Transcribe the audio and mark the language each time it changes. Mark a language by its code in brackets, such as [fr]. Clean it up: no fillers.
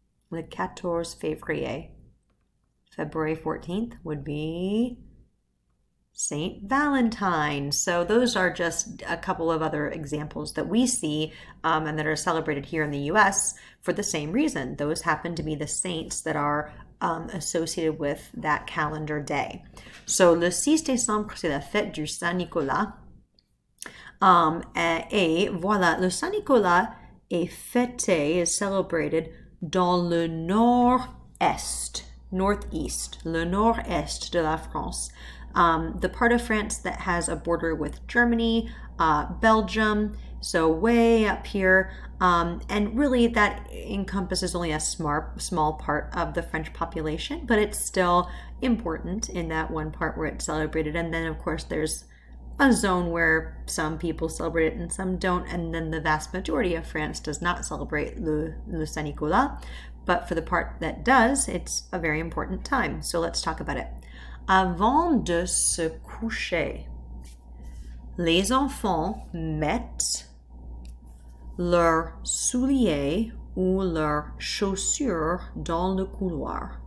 [en] Le 14 février. February 14th would be Saint Valentine. So those are just a couple of other examples that we see and that are celebrated here in the US for the same reason. Those happen to be the saints that are associated with that calendar day. [fr] So le 6 décembre, c'est la fête du Saint-Nicolas. Et voilà, le Saint-Nicolas is celebrated dans le nord-est, northeast, le nord-est de la France. [en] The part of France that has a border with Germany, Belgium, so way up here. And really, that encompasses only a small part of the French population, but it's still important in that one part where it's celebrated. And then, of course, there's a zone where some people celebrate it and some don't. And then the vast majority of France does not celebrate Le Saint-Nicolas. But for the part that does, it's a very important time. So let's talk about it. [fr] Avant de se coucher, les enfants mettent leurs souliers ou leurs chaussures dans le couloir.